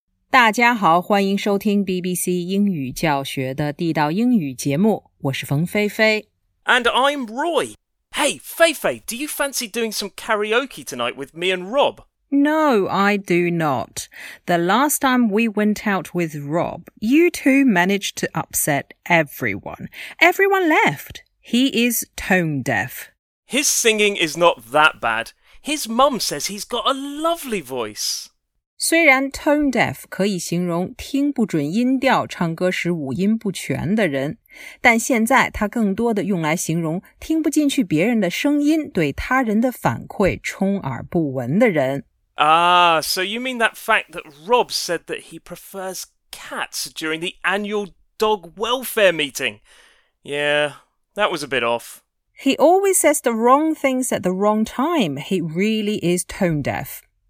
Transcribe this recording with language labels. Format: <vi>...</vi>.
<zh>大家好，欢迎收听 BBC 英语教学的地道英语节目。我是冯菲菲。</zh> <en>And I'm Roy. Hey, Fei Fei, do you fancy doing some karaoke tonight with me and Rob? No, I do not. The last time we went out with Rob, you two managed to upset everyone. Everyone left. He is tone deaf. His singing is not that bad. His mum says he's got a lovely voice.</en> <zh>虽然 tone deaf 可以形容听不准音调、唱歌时五音不全的人，但现在它更多的用来形容听不进去别人的声音、对他人的反馈充耳不闻的人。</zh> <en>Ah, so you mean that fact that Rob said that he prefers cats during the annual dog welfare meeting? Yeah, that was a bit off. He always says the wrong things at the wrong time. He really is tone deaf.</en>